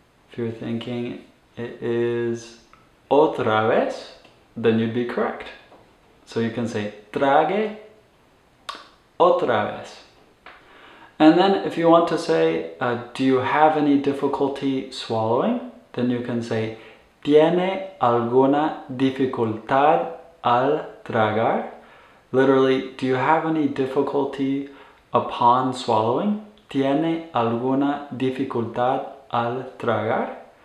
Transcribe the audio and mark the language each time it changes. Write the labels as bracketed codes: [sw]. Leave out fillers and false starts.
[en] If you're thinking it is [es] otra vez, [en] then you'd be correct. So you can say [es] trague otra vez. [en] And then if you want to say, do you have any difficulty swallowing? Then you can say, [es] ¿tiene alguna dificultad al tragar? [en] Literally, do you have any difficulty upon swallowing? [es] ¿Tiene alguna dificultad al tragar?